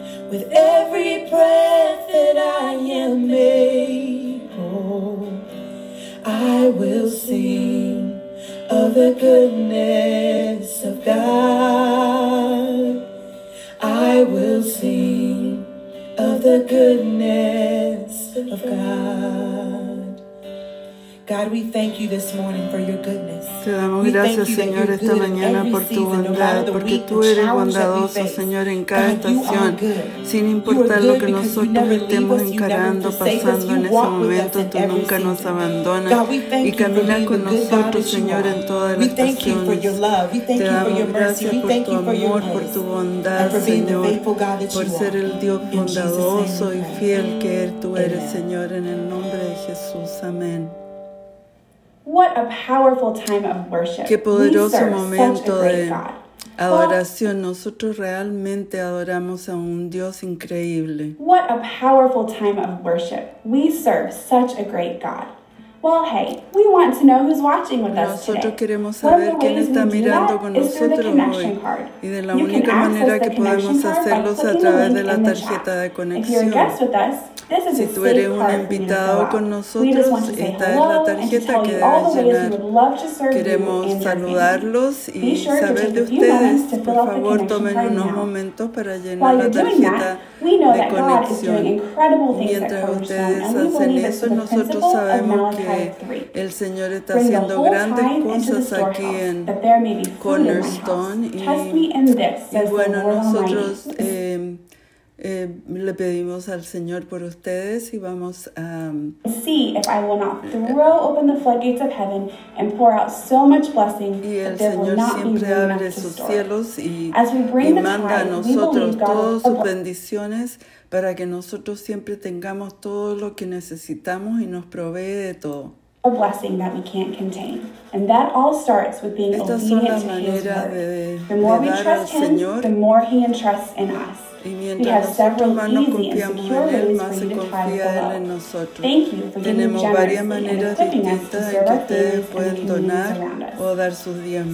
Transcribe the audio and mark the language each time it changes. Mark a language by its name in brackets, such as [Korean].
[English] With every breath that I am able, I will sing of the goodness of God. I will sing of the goodness of God. God, we thank you this morning for your goodness. [Spanish] Te damos gracias, Señor, esta mañana por tu bondad, porque tú eres bondadoso, Señor, en cada estación, sin importar lo que nosotros estemos encarando, pasando en ese momento, tú nunca nos abandonas y caminas con nosotros, Señor, en todas las estaciones. Te damos gracias por tu amor, por tu bondad, Señor, por ser el Dios bondadoso y fiel que tú eres, Señor, en el nombre de Jesús. Amén. [English] What a powerful time of worship. [Spanish] Qué poderoso momento de adoración. Nosotros realmente adoramos a un Dios increíble. [English] What a powerful time of worship. We serve such a great God. Well, hey, we want to know who's watching with us today. [Spanish] Nosotros queremos saber quién está mirando con nosotros hoy. Y de la única manera que podemos hacerlo es a través de la tarjeta de conexión. Si tú eres un invitado con nosotros, esta es la tarjeta que debes llenar. Queremos saludarlos y saber de ustedes. Por favor, tomen unos momentos para llenar la tarjeta de conexión. Mientras ustedes hacen eso, nosotros sabemos que el Señor está haciendo grandes cosas aquí en Cornerstone. Y bueno, nosotros le pedimos al Señor por ustedes y vamos a [English] see if I will not throw open the floodgates of heaven and pour out so much blessing that there will not be room enough to store. [Spanish] Y el Señor siempre abre sus cielos y manda a nosotros todas sus bendiciones para que nosotros siempre tengamos todo lo que necesitamos y nos provee de todo. [English] Amen. a blessing that we can't contain. And that all starts with being obedient to His word. The more we trust Him, the more He entrusts in us. We have several easy and secure ways for you to try to follow. Thank you for giving generously and equipping us to serve our families and the communities around us.